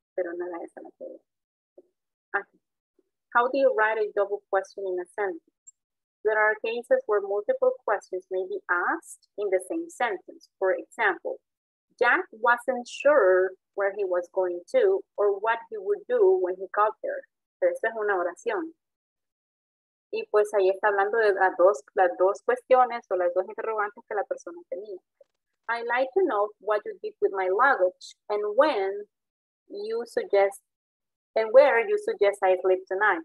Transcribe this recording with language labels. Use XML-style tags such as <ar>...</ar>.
<es>Pero no es la materia.</es> <en>Okay. How do you write a double question in a sentence? There are cases where multiple questions may be asked in the same sentence. For example, Jack wasn't sure where he was going to or what he would do when he got there.</en> <es>Pero esta es una oración. Y pues ahí está hablando de las dos cuestiones o las dos interrogantes que la persona tenía.</es> <en>I'd like to know what you did with my luggage and when you suggest and where you suggest I sleep tonight.</en>